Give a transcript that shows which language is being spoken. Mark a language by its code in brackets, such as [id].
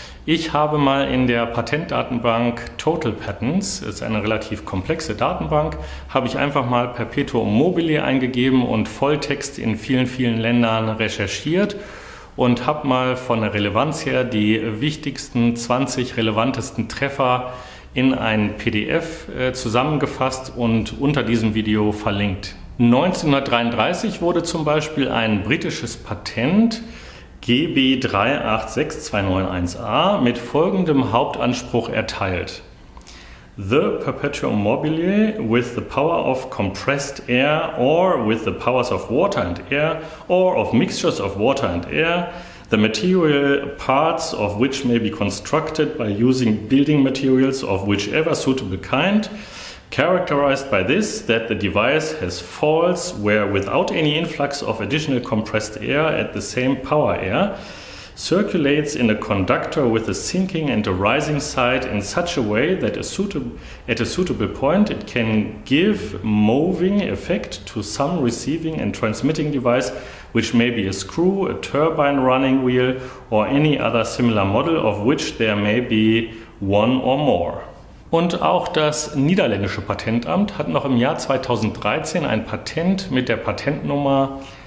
[de] Ich habe mal in der Patentdatenbank Total Patents, das ist eine relativ komplexe Datenbank, habe ich einfach mal Perpetuum Mobile eingegeben und Volltext in vielen, vielen Ländern recherchiert und habe mal von der Relevanz her die wichtigsten 20 relevantesten Treffer in ein PDF zusammengefasst und unter diesem Video verlinkt. 1933 wurde zum Beispiel ein britisches Patent GB386291A mit folgendem Hauptanspruch erteilt: [en] The Perpetuum Mobile with the power of compressed air or with the powers of water and air or of mixtures of water and air, the material parts of which may be constructed by using building materials of whichever suitable kind, characterized by this, that the device has faults where without any influx of additional compressed air at the same power air, circulates in a conductor with a sinking and a rising side in such a way that at a suitable point it can give moving effect to some receiving and transmitting device, which may be a screw, a turbine running wheel, or any other similar model of which there may be one or more. [de] Und auch das niederländische Patentamt hat noch im Jahr 2013 ein Patent mit der Patentnummer